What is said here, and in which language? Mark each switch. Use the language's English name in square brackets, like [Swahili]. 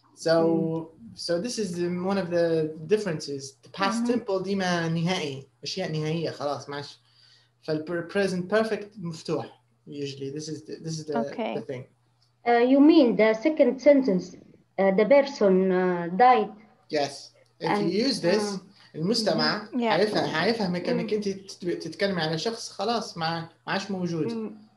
[English] So, so this is one of the differences. The past simple [Arabic] ديما نهائي أشياء نهائية خلاص ماش. فالpresent perfect مفتوح. [English] Usually, this is the okay. the thing. You mean the second sentence, the person died. Yes. If and, you use this, [Arabic] المستمع هيفهمك أنك أنت تتكلم على شخص خلاص ماش موجود.